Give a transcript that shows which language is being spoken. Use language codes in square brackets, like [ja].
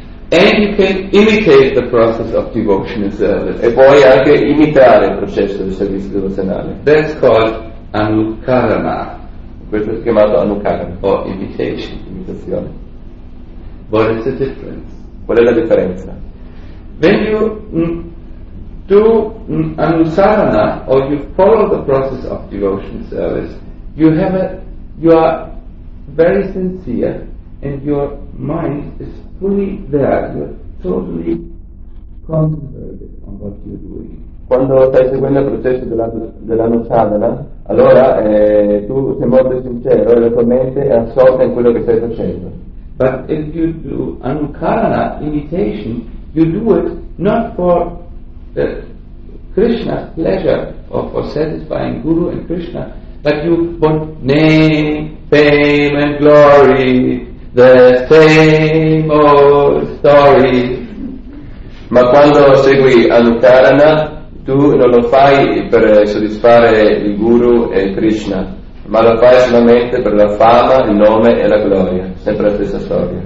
[en] And you can imitate the process of devotional service. [it] E puoi anche imitare il processo del servizio devozionale. [en] That is called anukarana. [it] Questo è chiamato anukarana. [en] Or imitation. [it] Imitazione. [en] What is the difference? [it] Qual è la differenza? [en] When you do anusarana, or you follow the process of devotion service, you are very sincere and your mind is fully there, you're totally concentrated on what you're doing. [it] Quando stai seguendo il processo dell'anusarana, allora tu sei molto sincero e la tua mente è assorta in quello che stai facendo. [en] But if you do anukarana, imitation, you do it not for Krishna's pleasure or for satisfying Guru and Krishna, but you want name, fame and glory, the same old story. [it] Ma quando segui anukarana, tu non lo fai per soddisfare il Guru e Krishna, ma lo fai solamente per la fama, il nome e la gloria, sempre la stessa storia.